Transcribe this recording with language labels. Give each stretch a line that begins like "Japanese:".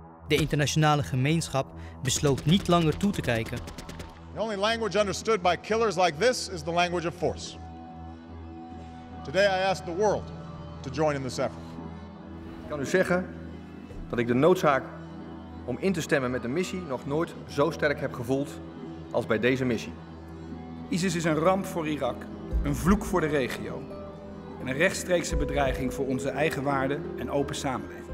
Dutch: De internationale gemeenschap besloot niet langer toe te kijken.
English: The only language understood by killers like this is the language of force. Today I ask the world to join in this effort.
Dutch: Ik kan u zeggen dat ik de noodzaak om in te stemmen met de missie nog nooit zo sterk heb gevoeld als bij deze missie. ISIS is een ramp voor Irak, een vloek voor de regio en een rechtstreekse bedreiging voor onze eigen waarden en open samenleving.